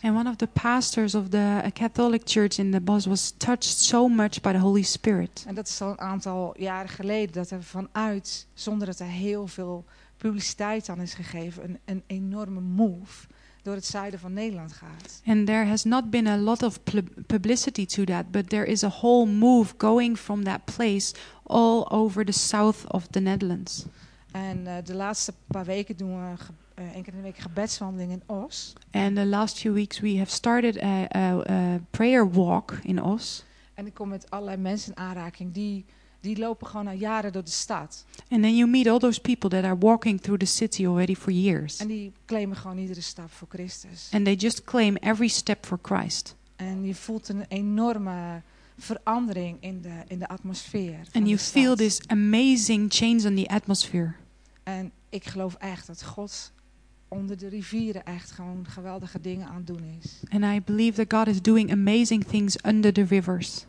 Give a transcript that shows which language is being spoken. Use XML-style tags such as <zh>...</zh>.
<en>And one of the pastors of the Catholic Church in Den Bosch was touched so much by the Holy Spirit.</en> <nl>En dat is al een aantal jaren geleden dat er vanuit, zonder dat er heel veel publiciteit aan is gegeven, een enorme move door het zuiden van Nederland gaat.</nl> <en>And there has not been a lot of publicity to that, but there is a whole move going from that place all over the south of the Netherlands.</en> <nl>En de laatste paar weken doen we één keer in de week gebedswandeling in Oss.</nl> <en>And the last few weeks we have started a prayer walk in Oss.</en> <nl>En ik kom met allerlei mensen in aanraking die lopen gewoon al jaren door de stad.</nl> <en>And then you meet all those people that are walking through the city already for years.</en> <nl>En die claimen gewoon iedere stap voor Christus.</nl> <en>And they just claim every step for Christ.</en> <nl>En je voelt een enorme verandering in de atmosfeer.</nl> <en>And you feel this amazing change in the atmosphere.</en> <nl>En ik geloof echt dat God onder de rivieren echt gewoon geweldige dingen aan het doen is.</nl> <en>And I believe that God is doing amazing things under the rivers.</en>